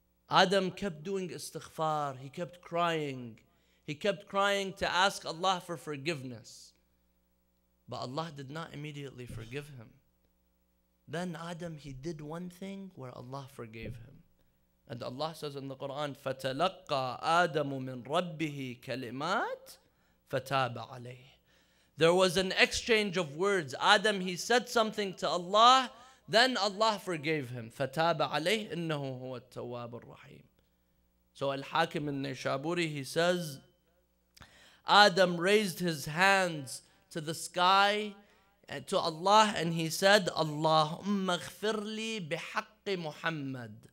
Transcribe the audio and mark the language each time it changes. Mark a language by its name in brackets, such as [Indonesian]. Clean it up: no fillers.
[English] Adam kept doing istighfar. He kept crying. He kept crying to ask Allah for forgiveness. But Allah did not immediately forgive him. Then Adam, he did one thing where Allah forgave him. And Allah says in the Quran, [Arabic] فَتَلَقَّى آدَمُ مِنْ رَبِّهِ كَلِمَاتٍ فَتَابَ عَلَيْهِ. [English] There was an exchange of words. Adam, he said something to Allah, then Allah forgave him. [Arabic] فَتَابَ عَلَيْهِ إِنَّهُ هُوَ التَّوَّابُ الرَّحِيمُ. [English] So Al-Hakim al-Nishaburi, he says, Adam raised his hands to the sky, to Allah, and he said, [Arabic] اللَّهُمَّ اغْفِرْ لِي بِحَقِّ مُحَمَّدٍ.